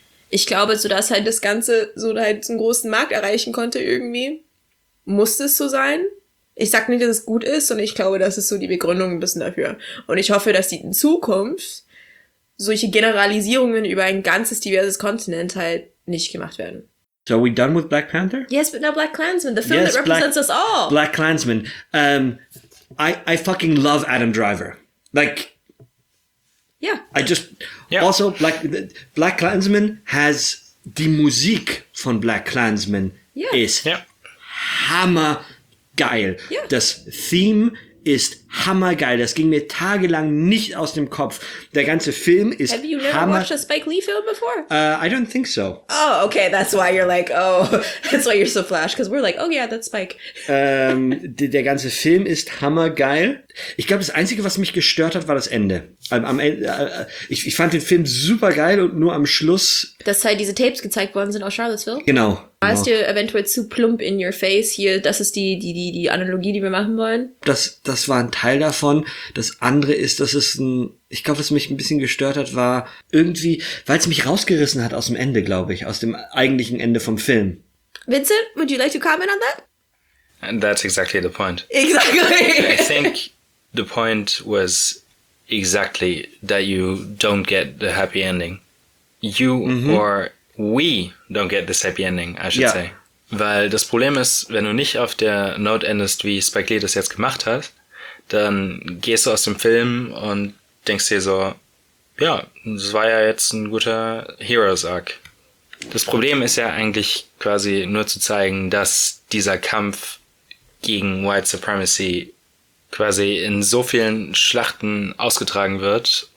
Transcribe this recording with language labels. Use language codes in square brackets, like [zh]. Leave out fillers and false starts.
[de] Ich glaube, sodass halt das Ganze so halt einen großen Markt erreichen konnte irgendwie, musste es so sein. Ich sag nicht, dass es gut ist, sondern ich glaube, das ist so die Begründung ein bisschen dafür. Und ich hoffe, dass die in Zukunft solche Generalisierungen über ein ganzes diverses Kontinent halt nicht gemacht werden. [en] So are we done with Black Panther? Yes, but now Black Klansman, the film yes, that represents Black, us all. Black Klansman. I fucking love Adam Driver. Like, yeah. I just... Yeah. Also, Black Klansman has... [de] Die Musik von Black Klansman ist hammergeil. [en] Yeah. [de] Das Theme ist hammergeil. Das ging mir tagelang nicht aus dem Kopf. Der ganze Film ist hammer... [en] Have you never watched a Spike Lee film before? I don't think so. Oh, okay. That's why you're like, oh, that's why you're so flash. Because we're like, oh yeah, that's Spike. [de] Der ganze Film ist hammergeil. Ich glaube, das Einzige, was mich gestört hat, war das Ende. Ich fand den Film super geil und nur am Schluss... Dass halt diese Tapes gezeigt worden sind aus Charlottesville? Genau. Warst du eventuell zu plump [en] in your face [de] hier? Das ist die Analogie, die wir machen wollen. Das war ein Teil davon. Das andere ist, dass es ein... Ich glaube, was mich ein bisschen gestört hat, war irgendwie... Weil es mich rausgerissen hat aus dem Ende, glaube ich. Aus dem eigentlichen Ende vom Film. [en] Vincent, would you like to comment on that? And that's exactly the point. Exactly. I think the point was exactly that you don't get the happy ending. You mm-hmm. or we don't get this happy ending, I should say. [de] Weil das Problem ist, wenn du nicht auf der Note endest, wie Spike Lee das jetzt gemacht hat, dann gehst du aus dem Film und denkst dir so, ja, das war ja jetzt ein guter Heroes Arc. Das Problem ist ja eigentlich quasi nur zu zeigen, dass dieser Kampf gegen White Supremacy quasi in so vielen Schlachten ausgetragen wird.